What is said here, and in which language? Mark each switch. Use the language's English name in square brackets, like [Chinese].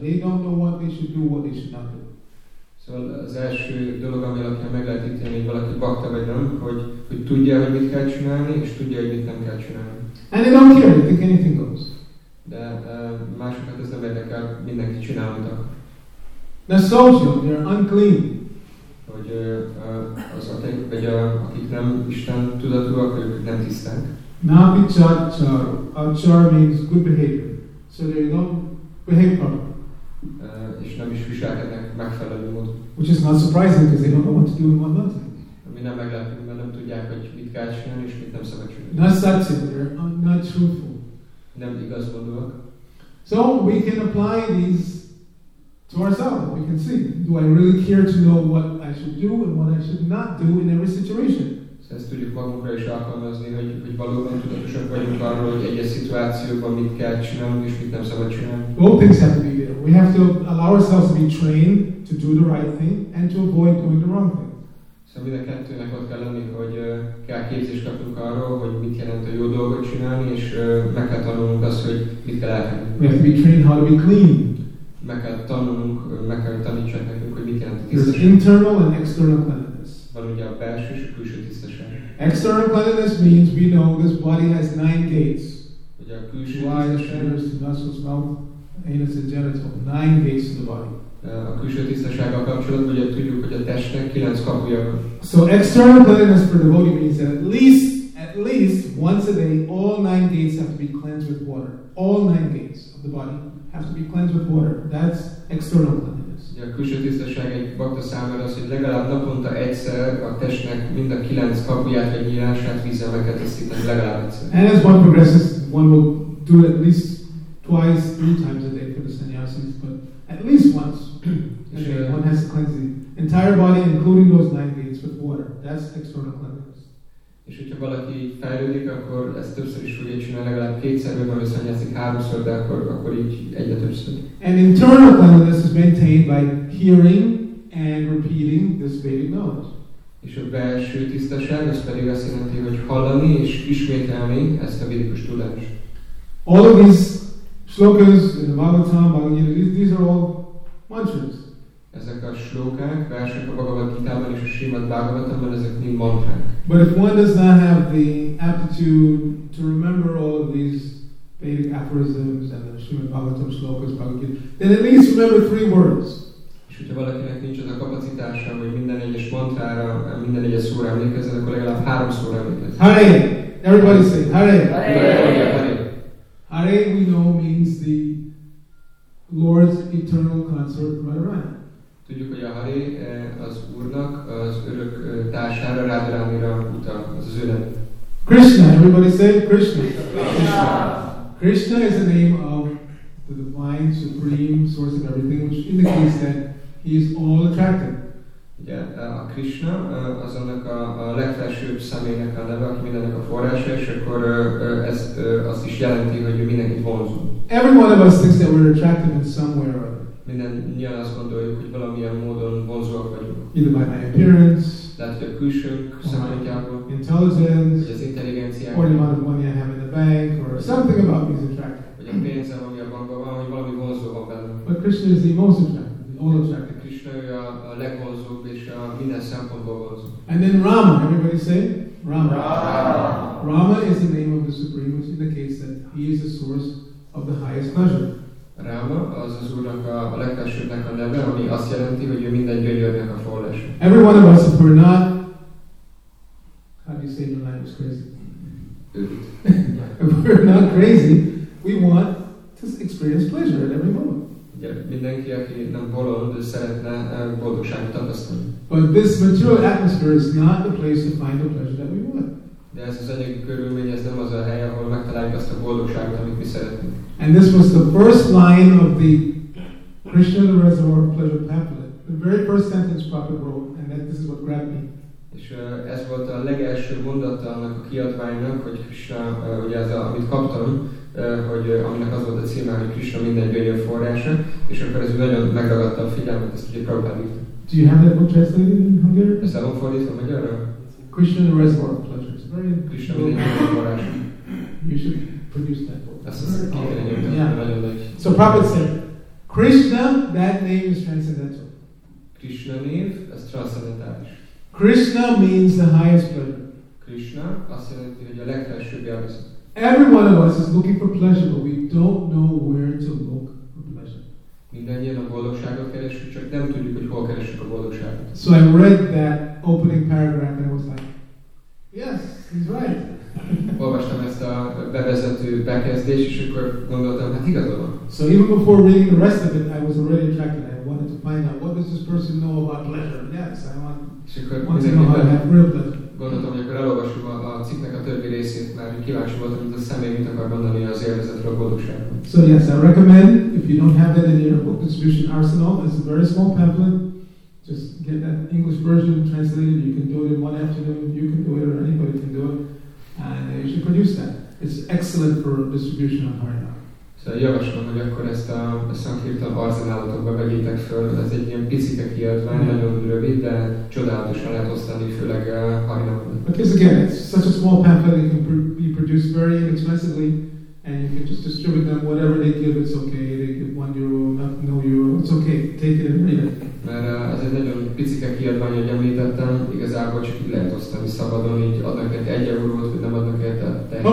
[English] They don't know what they should do, what they should not do. [Hungarian] Szóval az első dolog, ami alapján meg lehet ítélni, hogy valaki bakta vagy nem, hogy tudja, hogy mit kell csinálni, és tudja, hogy mit nem kell csinálni. [English] And they don't care, they think anything goes. [Hungarian] De másokat ez nem érdekel, mindenki csinál, amit akar. [English] The social, they're unclean. [Hungarian] Hogy az a tény, vagy akik nem Isten tudatúak, ők nem tiszták. [English] Nabi chad char. Achar means good behavior. So they don't behave properly. [Hungarian] És nem is viselkednek megfelelő módon. [English] Which is not surprising, because they don't know what to do and what not. [Hungarian] Ami nem meglepő, mert nem tudják, hogy mit kell csinálni, és mit nem szabad csinálni. [English] Not satyam, they're not truthful. [Hungarian] Nem igazgondolok. [English] So, we can apply these to ourselves, we can see. Do I really care to know what I should do and what I should not do in every situation? [Hungarian] So, ezt tudjuk magunkra is alkalmazni, hogy valóban tudatosak vagyunk arról, hogy egy-egy szituációban mit kell csinálni, és mit nem szabad csinálni. [English] Both things have to be there. We have to allow ourselves to be trained to do the right thing and to avoid doing the wrong thing. [Hungarian] Szóval mind a kettőnek ott kell lenni, hogy kell képzést kapjunk arról, hogy mit jelent a jó dolgot csinálni, és meg kell tanulnunk azt, hogy mit kell elhagyni. [English] We have to be trained how to be clean. [Hungarian] Meg kell tanulnunk, meg kell tanítsák nekünk, hogy mit jelent a tisztaság. [English] There's internal and external cleanliness. [Hungarian] Van ugye a belső és a külső tisztaság. [English] External cleanliness means we know this body has 9 gates. [Hungarian] Ugye a külső tisztaság. [English] Why the fingers, muscles, mouth, anus and genital. 9 gates in the body. [Hungarian] A külső tisztasággal kapcsolatban ugye tudjuk, hogy a testnek 9 kapuja. [English] So external cleanliness for the body means that at least once a day all 9 gates have to be cleansed with water. All 9 gates of the body have to be cleansed with water. That's external cleanliness. [Hungarian] Ugye a külső tisztaság egy bakta számára az, hogy legalább naponta egyszer a testnek mind a 9 kapuját vagy nyílását vízzel meg kell tisztítani, legalább egyszer. [English] And as one progresses, one will do it at least twice, 3 times a day for the sannyasis. At least once, one has to cleanse the entire body, including those 9 gates, with water. That's external cleanliness. [Hungarian] És hogyha valaki fejlődik, akkor ezt többször is fogja csinálni, legalább kétszer, vagy valószínűleg szennyezik háromszor, de akkor így egyre többször. [English] And internal cleanliness is maintained by hearing and repeating this Vedic knowledge. [Hungarian] És a belső tisztaság, ez pedig azt jelenti, hogy hallani és ismételni ezt a védikus tudást. [English] All of these slokas in the Bhagavatam, Bhagavad Gita, these are all mantras. [Hungarian] Ezek a slokák, versek a Bhagavad Gita-ban és a Srimad Bhagavatam-ban, ezek mind mantrák. [English] But if one does not have the aptitude to remember all of these Vedic aphorisms and the Srimad Bhagavatam slokas, Bhagavad Gita, then at least remember 3 words. [Hungarian] És hogyha valakinek nincs az a kapacitása, hogy minden egyes mantrára, minden egyes szóra emlékezzen, akkor legalább 3 szóra emlékezzen. [English] Hare! Everybody say Hare! Hare! Hare, we know, means the Lord's eternal consort, Radharani. [Hungarian] Tudjuk, hogy a Hare az Úrnak, az örök társára, Radharanira utal, az az ő neve. [English] Krishna, everybody say Krishna. Krishna. Krishna is the name of the divine, supreme source of everything, which indicates that he is all attractive. [Hungarian] Ugye, a Krishna az annak a legfelsőbb személynek a neve, aki mindennek a forrása, és akkor ez azt is jelenti, hogy ő mindenkit vonz. [English] Every one of us thinks that we're attractive in some way or other. [Hungarian] Mindannyian azt gondoljuk, hogy valamilyen módon vonzóak vagyunk. [English] Either by my appearance, [Hungarian] lehet, hogy a külsőnk szempontjából, [English] intelligence, [Hungarian] vagy az intelligenciánk, [English] or the amount of money I have in the bank, or something about me is attractive. [Hungarian] Vagy a pénzem, ami a bankban van, hogy valami vonzó van bennem. [English] But Krishna is the most attractive, the all attractive. [Hungarian] Krishna ő a legvonzóbb és a minden szempontból vonzó. [English] And then Rama, everybody say? Rama. Rama. Rama is the name of the Supreme, which indicates that he is the source of the highest pleasure. [Hungarian] Rama az az Úrnak a legfelsőbbnek a neve, ami azt jelenti, hogy ő minden gyönyörnek a forrása. [English] Every one of us, if we're not, how do you say the language crazy? If we're not crazy, we want to experience pleasure at every moment. [Hungarian] Ugye mindenki, aki nem bolond, szeretne boldogságot tapasztalni. [English] But this material atmosphere is not the place to find the pleasure that we want. [Hungarian] De ez az anyagi körülmény, ez nem az a hely, ahol megtaláljuk azt a boldogságot, amit mi szeretnénk. [English] And this was the first line of the Krishna the Reservoir Pleasure pamphlet. The very first sentence Prabhupada wrote, and that this is what grabbed me. [Hungarian] És ez volt a legelső mondata annak a kiadványnak, hogy Krishna, ugye az, amit kaptam, hogy aminek az volt a címe, hogy Krishna minden gyönyör forrása, és akkor ez nagyon megragadta a figyelmet, ezt ugye Prabhupada írta. [English] Do you have that book translated in Hungarian? [Hungarian] Ezt el van fordítva magyarra? [English] Krishna the Reservoir Pleasure. It's very [Hungarian] Krishna minden gyönyör forrása. [English] You should produce that. Okay. So Prabhupada said, Krishna, that name is transcendental. Krishna name is transcendental. Krishna means the highest pleasure. [Hungarian] Krishna, azt jelenti, hogy a legfelsőbb élvezet. [English] Every one of us is looking for pleasure, but we don't know where to look for pleasure. [Hungarian] Mindannyian a boldogságot keresünk, csak nem tudjuk, hogy hol keresünk a boldogságot. [English] So I read that opening paragraph and I was like, yes, he's right. [Hungarian] Olvastam ezt a bevezető bekezdést, és akkor gondoltam, hát igazol van. [English] So even before reading the rest of it, I was already attracted. I wanted to find out, what does this person know about pleasure? Yes, I want to know how to have real pleasure. [Hungarian] Gondoltam, hogy akkor elolvasom a cikknek a többi részét, mert kíváncsi voltam, hogy a személy mit akar mondani az élvezetről, a boldogságról. [English] So yes, I recommend, if you don't have that in your book distribution arsenal, it's a very small pamphlet. Just get that English version translated. You can do it in one afternoon, you can do it, or anybody can do it. And you should produce that. It's excellent for distribution on Harinam. [Hungarian] Szóval javaslom, hogy akkor ezt a Sankirtan arzenálatokba vegyétek föl. Ez egy ilyen picike kiadvány, nagyon rövid, de csodálatosan lehet osztani, főleg hajnalban. [English] Because again, it's such a small pamphlet that can be produced very inexpensively, and you can just distribute them whatever they give, it's okay. They give 1 euro, no euro, it's okay, take it and read it. [Hungarian] Mert ez egy nagyon picike kiadvány, ahogy említettem, igazából csak így lehet osztani szabadon, így adnak egy 1 eurót, vagy nem adnak egy teljesen.